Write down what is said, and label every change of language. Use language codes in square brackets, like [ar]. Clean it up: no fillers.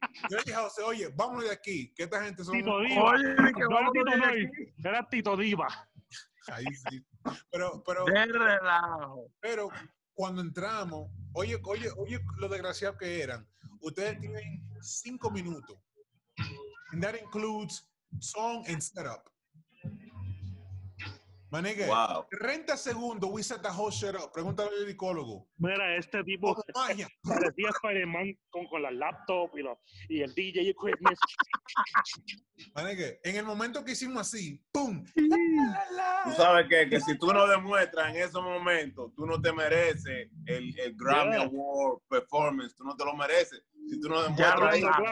[es] Yo le dije a José, oye, vámonos de aquí. Que esta gente son... Tito diva. Oye, que vámonos Tito de aquí. Era Tito diva. Ahí sí. Pero... De relajo. Pero cuando entramos, oye, lo desgraciado que eran. Ustedes tienen 5 minutos. [en] And that includes song and setup. [es] Manique, [en] wow. [es] 30 segundos, [en] we set the whole shit up. [es] Pregúntale al psicólogo. Mira, este tipo parecía Spider-Man con la laptop y el DJ equipment. Manique, en el momento que hicimos así, ¡pum! ¿Tú sabes qué? Que si tú no demuestras en esos momentos, tú no te mereces el Grammy Award Performance. Tú no te lo mereces. Si tú no demuestras...